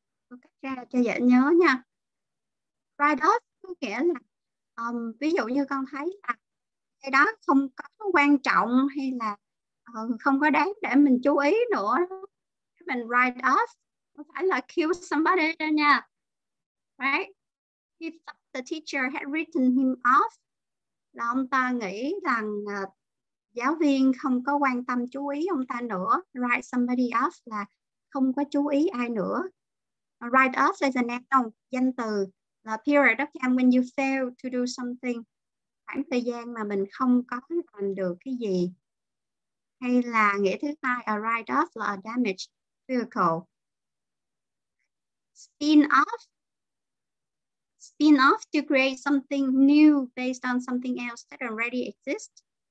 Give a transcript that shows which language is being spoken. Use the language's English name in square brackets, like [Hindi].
[Vietnamese] Cô cắt ra cho dễ nhớ nha. Write off có nghĩa là Ví dụ như con thấy là cái đó không có quan trọng hay là không có đáng để mình chú ý nữa, mình write off, không phải là [English] kill somebody [Vietnamese] đâu nha. [English] Right? He thought the teacher had written him off. [Vietnamese] Là ông ta nghĩ rằng giáo viên không có quan tâm chú ý ông ta nữa. Write somebody off là không có chú ý ai nữa. [English] Write off is a noun, [Vietnamese] danh từ. [English] A period of time when you fail to do something. [Vietnamese] Khoảng thời gian mà mình không có làm được cái gì. Hay là nghĩa thứ hai, a write-off là [English] a damaged vehicle. Spin-off to create something new based on something else that already exists.